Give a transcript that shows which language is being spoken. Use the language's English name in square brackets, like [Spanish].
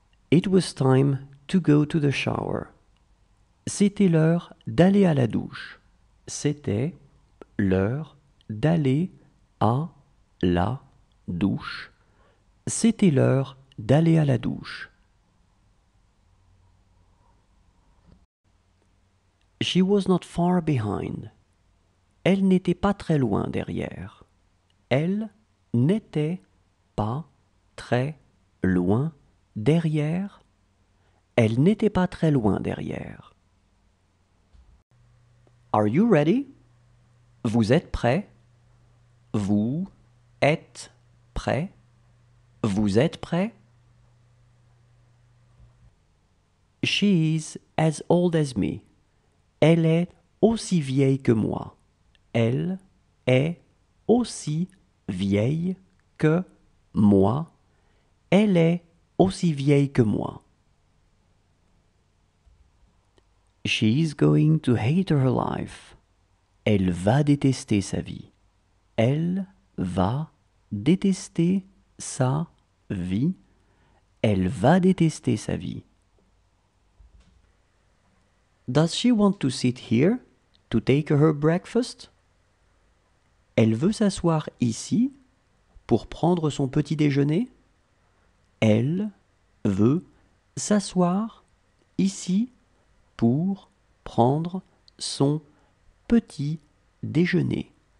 [English] It was time to go to the shower. [French] C'était l'heure d'aller à la douche. C'était l'heure d'aller à la douche. C'était l'heure d'aller à la douche. [English] She was not far behind. [French] Elle n'était pas très loin derrière. Elle n'était pas très loin derrière. Elle n'était pas très loin derrière. [English] Are you ready? [French] Vous êtes prêt? Vous êtes prêt? Vous êtes prêt? [English] She is as old as me. [French] Elle est aussi vieille que moi. Elle est aussi vieille que moi. Elle est aussi vieille que moi. [English] She is going to hate her life. [French] Elle va détester sa vie. Elle va détester sa vie. Elle va détester sa vie. [English] Does she want to sit here to take her breakfast? [French] Elle veut s'asseoir ici pour prendre son petit déjeuner. Elle veut s'asseoir ici pour prendre son petit déjeuner.